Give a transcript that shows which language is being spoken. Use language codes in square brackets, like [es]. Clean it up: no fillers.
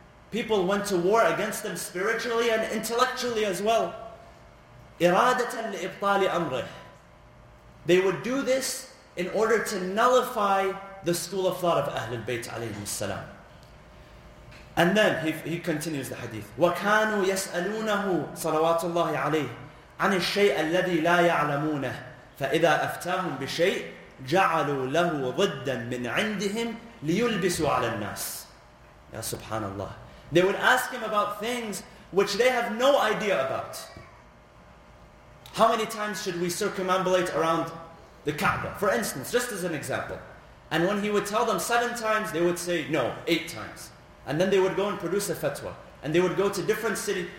[en] People went to war against them spiritually and intellectually as well. [ar] إِرَادَةً لِإِبْطَالِ أَمْرِهِ. [en] They would do this in order to nullify the school of thought of Ahlul Bayt alayhi salam. And then he continues the hadith. [ar] وَكَانُوا يَسْأَلُونَهُ صَلَوَاتُ اللَّهِ عَلَيْهِ عن الشيء الذي لا يعلمونه فإذا أفتاهم بشيء جعلوا له ضدا من عندهم ليلبسوا على الناس. يا سبحان الله. [en] They would ask him about things which they have no idea about. How many times should we circumambulate around the Kaaba? For instance, just as an example. And when he would tell them 7 times, they would say no, 8 times. And then they would go and produce a fatwa. And they would go to different cities.